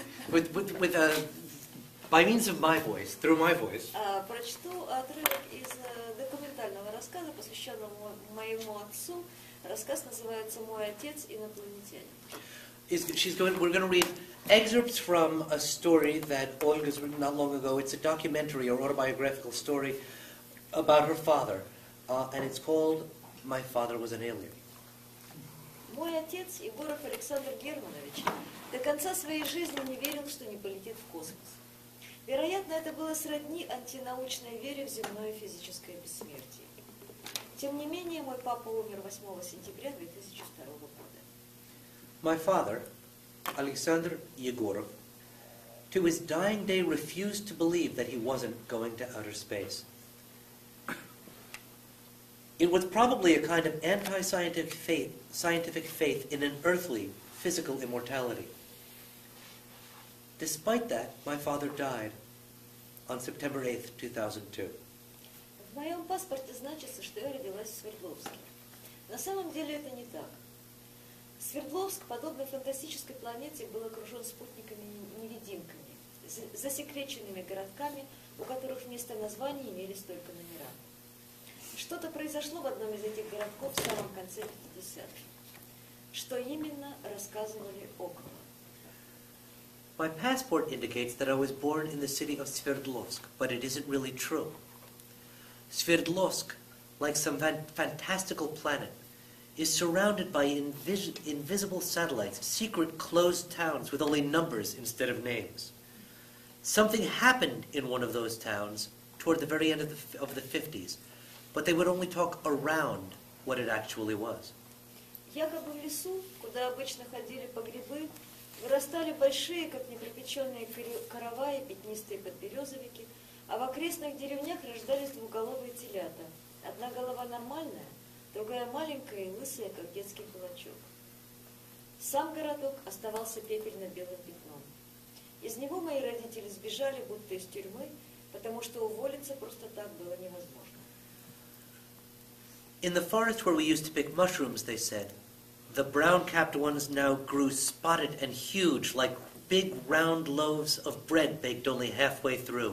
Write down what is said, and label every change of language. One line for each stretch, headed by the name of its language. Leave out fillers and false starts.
English: With by means of my voice, through my voice.
Russian: Прочту отрывок из документального рассказа, посвященного моему отцу. Рассказ называется «Мой отец инопланетянин».
English: We're going to read excerpts from a story that Olga's written not long ago. It's a documentary or autobiographical story about her father, and it's called "My Father Was an Alien."
Russian: Мой отец Егоров Александр Германович до конца своей жизни не верил, что не полетит в космос. Вероятно, это было сродни антинаучной вере в земное физическое бессмертие. Тем не менее, мой папа умер 8 сентября 2002 года.
English: My father, Alexander Yegorov, to his dying day refused to believe that he wasn't going to outer space. It was probably a kind of anti-scientific faith in an earthly, physical immortality. Despite that, my father died on September 8th, 2002.
Russian: В моем паспорте значится, что я родилась в Свердловске. На самом деле это не так. Свердловск, подобно фантастической планете, был окружен спутниками-невидимками, засекреченными городками, у которых вместо названий имелись только номера. Что-то произошло в одном из этих городков в самом конце 50-х. Что именно рассказывали около?
English: My passport indicates that I was born in the city of Sverdlovsk, but it isn't really true. Sverdlovsk, like some fantastical planet, is surrounded by invisible satellites, secret closed towns with only numbers instead of names. Something happened in one of those towns toward the very end of the 50s, but they would only talk around what it actually was.
Russian: Якобы в лесу, куда обычно ходили по грибы, вырастали большие, как непропеченные караваи, пятнистые подберезовики, а в окрестных деревнях рождались двуголовые телята. Одна голова нормальная, другая маленькая и лысая, как детский кулачок. Сам городок оставался пепельно-белым пятном. Из него мои родители сбежали, будто из тюрьмы, потому что уволиться просто так было невозможно.
English: In the forest where we used to pick mushrooms, they said, the brown-capped ones now grew spotted and huge, like big round loaves of bread baked only halfway through.